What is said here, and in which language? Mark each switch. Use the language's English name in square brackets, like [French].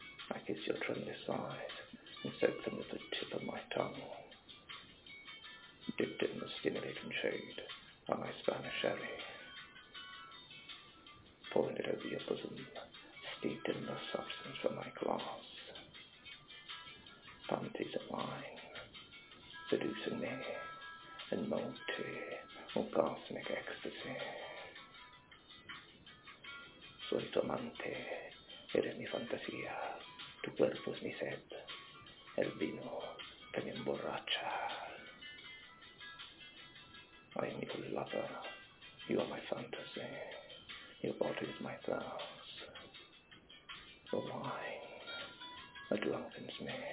[English] I kiss your trembling side and soak them with the tip of my tongue, dipped in the stimulating shade of my Spanish sherry, pouring it over your bosom, steeped in the substance from my glass. Panties of mine, seducing me in multi-orgasmic ecstasy. [Spanish] Soy tu amante, eres mi fantasía, tu cuerpo es mi sed, el vino que me emborracha. [English] I am your lover, you are my fantasy, your body is my thirst. The wine that drunkens me.